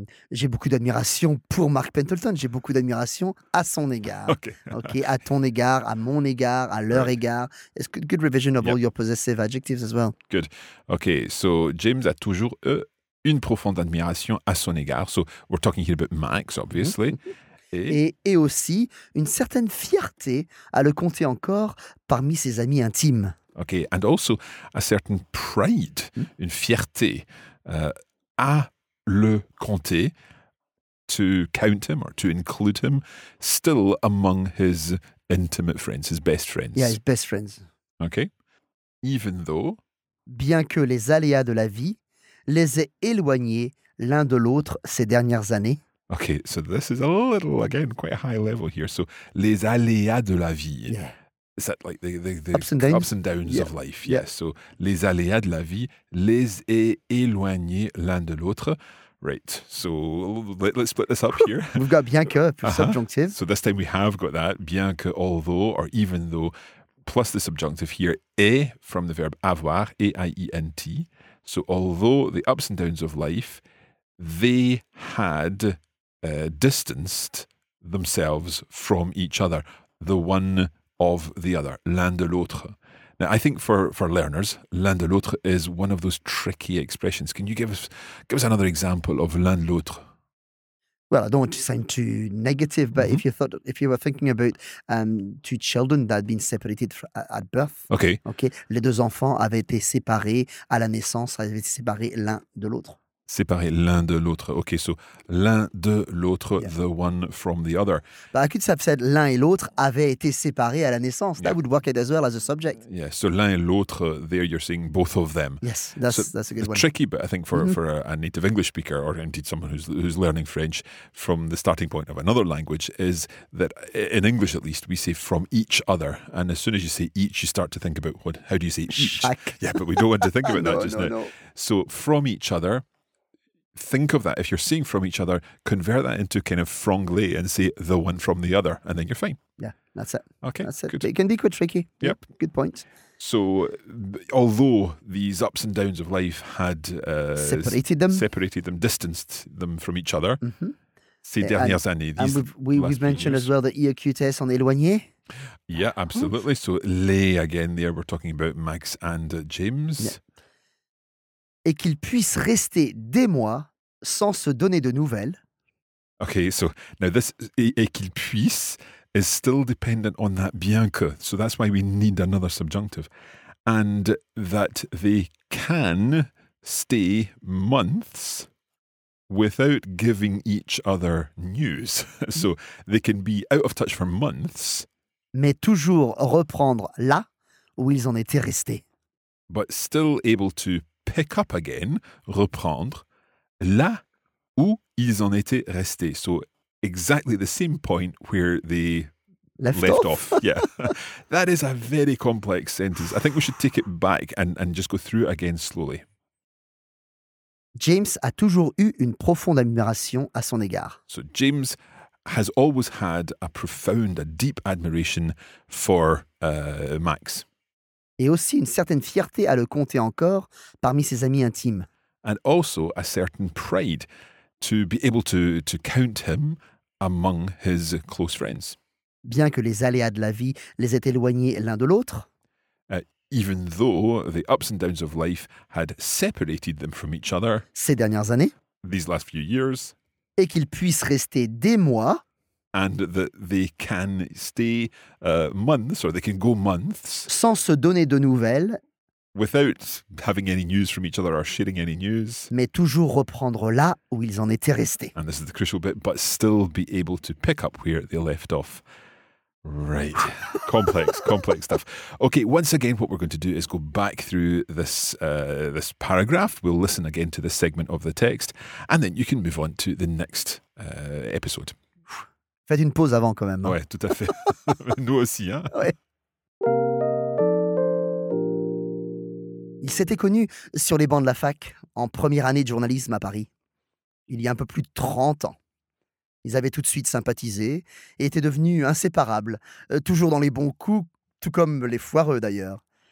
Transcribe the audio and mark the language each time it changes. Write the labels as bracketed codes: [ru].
[fr] J'ai beaucoup d'admiration pour Mark Pendleton. J'ai beaucoup d'admiration à son égard. [en] Okay. [fr] À ton égard, à mon égard, à leur égard. [en] It's good revision of all your possessive adjectives as well. Good. [fr] Okay, so James a toujours eu une profonde admiration à son égard. [en] So we're talking here about Max, obviously. Mm-hmm. [fr] Et aussi une certaine fierté à le compter encore parmi ses amis intimes. [en] Okay, and also a certain pride, [fr] une fierté à le compter, [en] to count him or to include him still among his intimate friends, his best friends. Yeah, his best friends. Okay, even though... [fr] Bien que les aléas de la vie les a éloignés l'un de l'autre ces dernières années. [en] Okay, so this is a little, again, quite a high level here. So, [fr] les aléas de la vie [en] Is that like the ups and downs yeah. of life? Yes. [fr] Yeah. So les aléas de la vie les éloigner l'un de l'autre. [en] Right. So let's split this up here. We've got bien que plus subjonctive. So this time we have got that bien que, although, or even though, plus the subjunctive here est from the verb avoir, A-I-E-N-T. So although the ups and downs of life, they had distanced themselves from each other, the one of the other, [fr] l'un de l'autre. [en] Now, I think for learners, [fr] l'un de l'autre [en] is one of those tricky expressions. Can you give us another example of [fr] l'un de l'autre? [en] Well, I don't want to sound too negative, but mm-hmm. if you were thinking about two children that had been separated at birth. Okay. Okay. [fr] Les deux enfants avaient été séparés à la naissance, avaient été séparés l'un de l'autre. Séparés l'un de l'autre. Okay, so l'un de l'autre, yeah. [en] the one from the other. [fr] But I could have said l'un et l'autre avaient été séparés à la naissance. [en] That yeah. would work as well as a subject. Yeah, so [fr] l'un et l'autre, [en] there you're seeing both of them. Yes, that's a good one. Tricky, but I think for, mm-hmm. for a native English speaker, or indeed someone who's learning French from the starting point of another language, is that in English at least, we say from each other. And as soon as you say each, you start to think about how do you say each? Shack. Yeah, but we don't want to think about now. So from each other. Think of that. If you're seeing from each other, convert that into kind of franglais and say the one from the other, and then you're fine. Yeah, that's it. Okay, that's it. Good. It can be quite tricky. Yep. Good point. So although these ups and downs of life had separated them, distanced them from each other, [fr] ces dernières années, [en] these we've mentioned as well that IEQTS en éloigné. Yeah, absolutely. So les again there, we're talking about Max and James. Yeah. [fr] Et qu'ils puissent rester des mois sans se donner de nouvelles. [en] Okay, so now this [fr] et qu'ils puissent [en] is still dependent on that bien que. So that's why we need another subjunctive. And that they can stay months without giving each other news. So they can be out of touch for months. [fr] Mais toujours reprendre là où ils en étaient restés. [en] But still able to pick up again, [fr] reprendre, là où ils en étaient restés. [en] So exactly the same point where they left off. Yeah. That is a very complex sentence. I think we should take it back and just go through it again slowly. [fr] James a toujours eu une profonde admiration à son égard. [en] So James has always had a deep admiration for Max. [fr] Et aussi une certaine fierté à le compter encore parmi ses amis intimes. [en] And also a certain pride to be able to count him among his close friends. [fr] Bien que les aléas de la vie les aient éloignés l'un de l'autre. [en] Even though the ups and downs of life had separated them from each other. [fr] Ces dernières années. [en] These last few years. [fr] Et qu'ils puissent rester des mois. [en] And that they can stay months, or they can go months. [fr] Sans se donner de nouvelles. [en] Without having any news from each other or sharing any news. [fr] Mais toujours reprendre là où ils en étaient restés. [en] And this is the crucial bit, but still be able to pick up where they left off. Right. Complex, complex stuff. Okay, once again, what we're going to do is go back through this this paragraph. We'll listen again to this segment of the text. And then you can move on to the next episode. [fr] Faites une pause avant quand même. Ouais, tout à fait. Nous aussi, hein. Ouais. Ils s'étaient connus sur les bancs de la fac, en première année de journalisme à Paris, il y a un peu plus de 30 ans. Ils avaient tout de suite sympathisé et étaient devenus inséparables, toujours dans les bons coups, tout comme les foireux d'ailleurs.